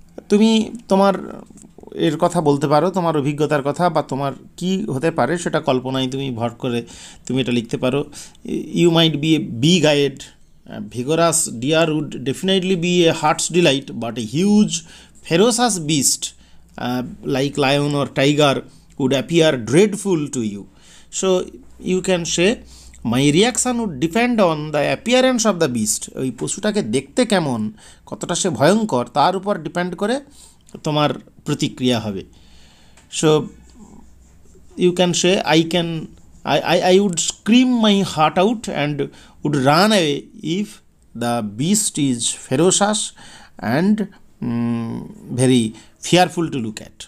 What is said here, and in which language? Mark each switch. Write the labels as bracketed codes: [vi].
[bn] তুমি তোমার এর কথা বলতে পারো, তোমার অভিজ্ঞতার কথা, বা তোমার কী হতে পারে সেটা কল্পনায় তুমি ভর করে তুমি এটা লিখতে পারো। [en] You might be a be guide, vigorous deer would definitely be a heart's delight, but a huge ferocious beast like lion or tiger would appear dreadful to you. So you can say, my reaction would depend on the appearance of the beast. [bn] ওই পশুটাকে দেখতে কেমন, কতটা সে ভয়ঙ্কর, তার উপর depend করে তোমার প্রতিক্রিয়া হবে. [en] So you can say, I can, I would scream my heart out and would run away if the beast is ferocious and very fearful to look at.